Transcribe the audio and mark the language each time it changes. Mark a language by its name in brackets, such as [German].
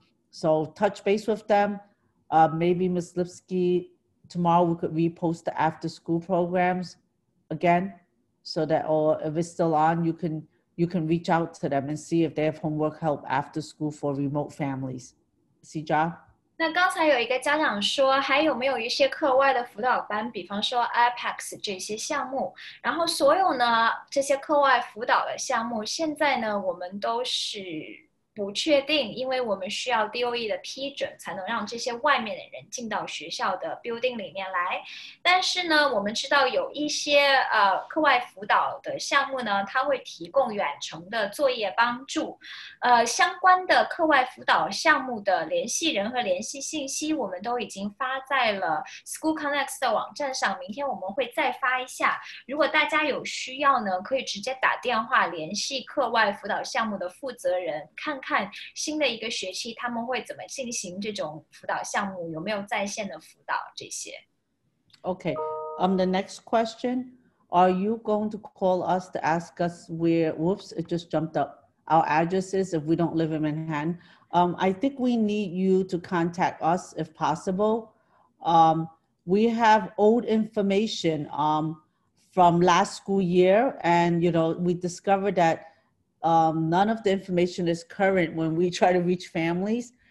[English] So touch base with them. Maybe Ms. Lipsky, tomorrow we could repost the after school programs again, so that, or if it's still on, you can reach out to them and see if they have homework help after school for remote families. Sijia? [Chinese] 那刚才有一个家长说还有没有一些课外的辅导班，比方说 APEX 这些项目，然后所有呢这些课外辅导的项目现在呢我们都是不确定，因为我们需要 DOE 的批准才能让这些外面的人进到学校的 building 里面来。但是呢我们知道有一些课外辅导的项目呢它会提供远程的作业帮助。相关的课外辅导项目的联系人和联系信息我们都已经发在了 School Connects 的网站上，明天我们会再发一下。如果大家有需要呢可以直接打电话联系课外辅导项目的负责人，看看新的一个学期他们会怎么进行这种辅导项目，有没有在线的辅导这些。 [English] Okay, the next question, are you going to call us to ask us where, whoops, it just jumped up, our addresses if we don't live in Manhattan? I think we need you to contact us if possible. We have old information from last school year, and you know, we discovered thatnone of the information is current when we try to reach families.